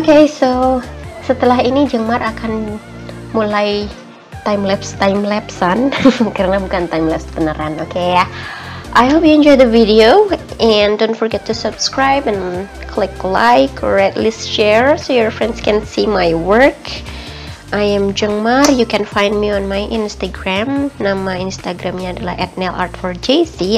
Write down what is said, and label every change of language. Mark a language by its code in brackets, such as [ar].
[id] So setelah ini Jeng Mar akan mulai time lapse-an karena bukan time lapse beneran, ya. [en] I hope you enjoy the video and don't forget to subscribe and click like or at least share so your friends can see my work. I am Jeng Mar. You can find me on my Instagram. [id] Nama Instagramnya adalah @nailartforjc.